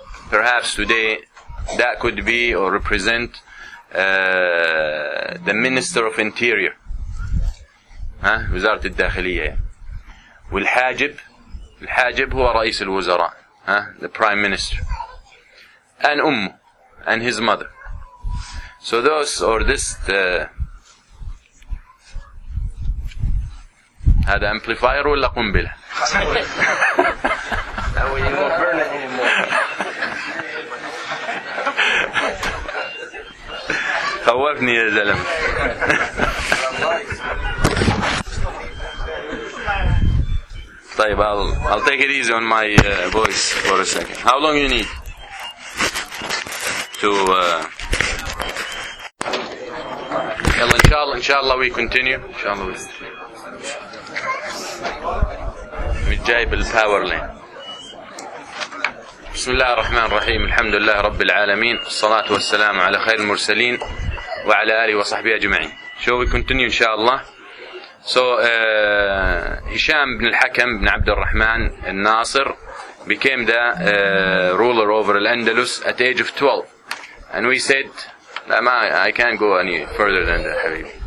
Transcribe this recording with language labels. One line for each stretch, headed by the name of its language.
English: Perhaps today that could be or represent the Minister of Interior, Wizarat al-Dakhiliya. Wal-Hajib,
Arabic: الحاجب هو رئيس الوزراء,
English: the prime minister, and
Arabic: أمه,
English: and his mother. So those, or this,
Arabic: هذا amplifier ولا قنبلة؟ خوفني يا زلمة. طيب,
English: I'll take it easy on my voice for a second. How long you need to
Arabic: يلا ان شاء الله, ان شاء الله
English: we continue,
Arabic: ان شاء الله متجايب الباور لين. بسم الله الرحمن الرحيم, الحمد لله رب العالمين, الصلاة والسلام على خير المرسلين وعلى آله وصحبه أجمعين.
English: So we continue
Arabic: ان شاء الله.
English: So Hisham ibn al-Hakam ibn Abd al-Rahman al-Nasir became the ruler over al-Andalus at the age of 12. And we said, I can't go any further than that, Habib.